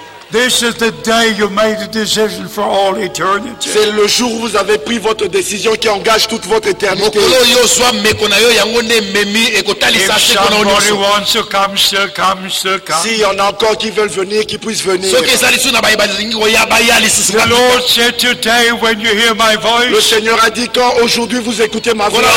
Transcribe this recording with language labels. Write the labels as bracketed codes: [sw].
[en] This is the day you made a decision for all eternity. [fr] C'est le jour où vous avez pris votre décision qui engage toute votre éternité. [en] If somebody wants to come, sir, come, sir, come. [fr] Si y en a encore qui veulent venir, qui puissent venir. [en] The Lord said today when you hear my voice. [fr] Le Seigneur a dit quand aujourd'hui vous écoutez ma voix.